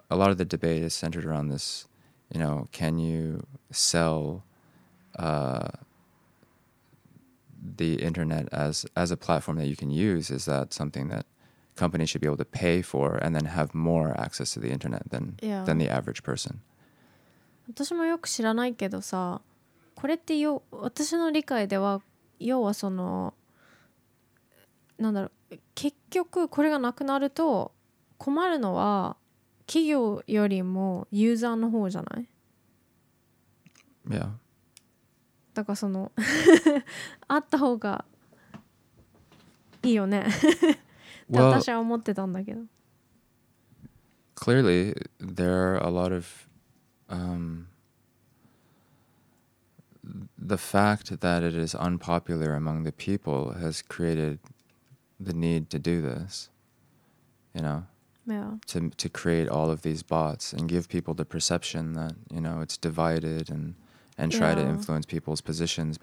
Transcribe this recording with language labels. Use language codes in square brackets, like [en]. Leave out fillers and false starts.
[en] a lot of the debate is centered around this. You know, can you sell the internet as a platform that you can use? Is that something that companies should be able to pay for and then have more access to the internet than the average person? [ja] 私もよく知らないけどさ、これってよ、私の理解では要はその、なんだろう、結局これがなくなると困るのは企業よりもユーザーの方じゃない？ [en] Yeah. [ja] だからそのあった方がいいよね。 [en] well, [ja] 私は思ってたんだけど。 [en] Clearly, there are a lot of the fact that it is unpopular among the people has created the need to do this. You know. To create all of these bots and give people the perception that, you know, it's divided and try to influence people's positions.